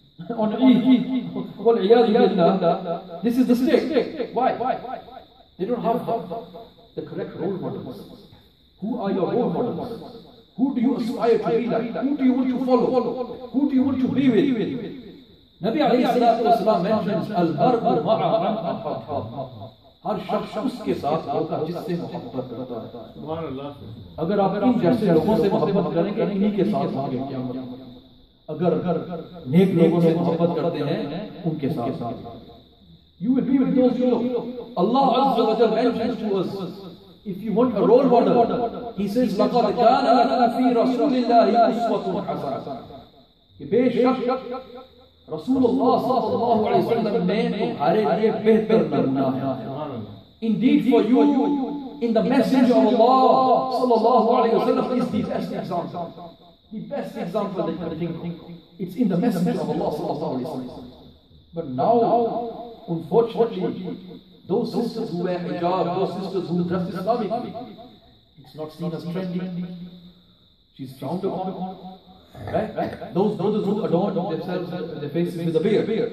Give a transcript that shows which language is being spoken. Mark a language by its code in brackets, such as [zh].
[en] On Eid, this is the state. Why? They don't have the correct role models. Who are your role models? Who do you aspire to be like? Who do you want to follow? Who do you want to be with? Nabi alayhi salatu wasalam mentions [ar] Al-Mar'u ma'a man ahbaba. [ur] ہر شخص اس کے ساتھ ہوتا ہے جس سے محبت کرتا ہے۔ سبحان اللہ، اگر آپ ان جیسے لوگوں سے محبت کریں گے انہی کے ساتھ ہوں گے کیا مطلب، اگر نیک لوگوں سے محبت کرتے ہیں ان کے ساتھ ساتھ، [en] You will be with those people. اللہ عز و جل mentions to us, if you want a role model, he says [ar] لقد کان لکم فی رسول اللہ اسوۃ حسنہ، [ur] کہ بے شک رسول اللہ صلی اللہ علیہ وسلم نے تمہارے لیے بہتر نمونہ ہے۔ [en] Indeed, for you, in the Messenger of Allah, sallallahu alayhi wa sallam, is the best example. The best example that you can think of. It's in the Messenger of Allah, sallallahu alayhi wa sallam. But now, unfortunately, those sisters who wear hijab, those sisters who dress Islamically, it's not seen as trendy. She's frowned upon. Right? Those brothers who adorn themselves, their faces with a beard.